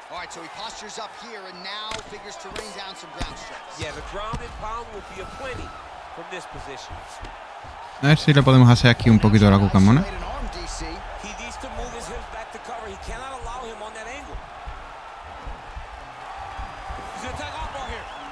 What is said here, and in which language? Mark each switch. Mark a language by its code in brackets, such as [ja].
[en] So he postures up here and now figures to rain down some ground strikes. Yeah, the ground and pound will be a plenty from this position. [es] A ver si le podemos hacer aquí un poquito de la cucamona. [en] He needs to move his hips back to cover. He cannot allow him on that angle. He's gonna take off ball here.